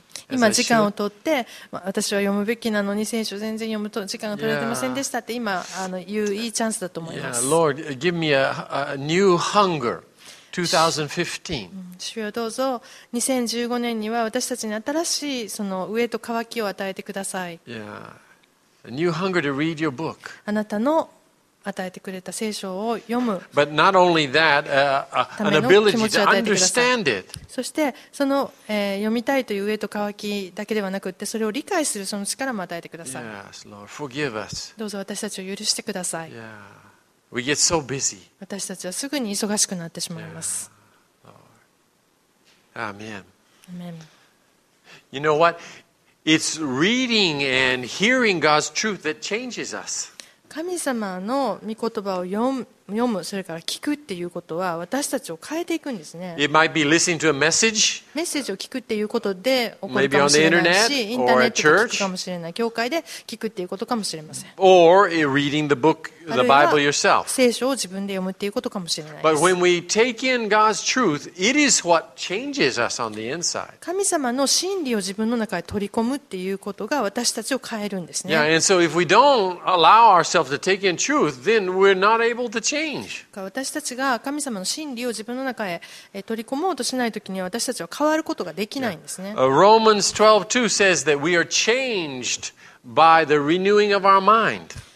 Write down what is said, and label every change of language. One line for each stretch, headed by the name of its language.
Japanese: 今時間を取って私は読むべきなのに聖書全然読むと時間が取れてませんでしたって今言ういいチャンスだと思います。
English: Lord, give me a new hunger 2015.
Japanese: 主よどうぞ2015年には私たちに新しいその飢えと渇きを与えてください。
English: Yeah, a new hunger to read your book.
Japanese: あなたの与えてくれた聖書を読む。
English: But not only that, an ability to understand it.
Japanese: そしてその、読みたいという飢えと渇きだけではなくってそれを理解するその力も与えてください。
English: Yes, Lord, forgive us.
Japanese: どうぞ私たちを許してください。
English: Yeah. We get so busy.
Japanese: 私たちはすぐに忙しくなってしまいます。
English: Yeah. Amen. Amen. You know what? It's reading and hearing God's truth that changes us.
Japanese: 神様の御言葉を読むそれから聞くっていうことは私たちを変えていくんですね。
English: It might be listening to a message.
Japanese: メッセージを聞くっていうことで起こるかもしれないし、インターネットで聞くかもしれない、教会で聞くっていうことかもしれません。
English: Or reading the book, the Bible yourself.
Japanese: 聖書を自分で読むっていうことかもしれないです。
English: But when we take in God's truth, it is what changes us on the inside.
Japanese: 神様の真理を自分の中へ取り込むっていうことが私たちを変えるんですね。
English: Yeah, and so if we don't allow ourselves to take in truth, then we're not able to change.
Japanese: 私たちが神様の真理を自分の中へ取り込もうとしないときには私たちは変わることができないんですね。
English: Romans 12:2 says that we are changed by the renewing of our mind.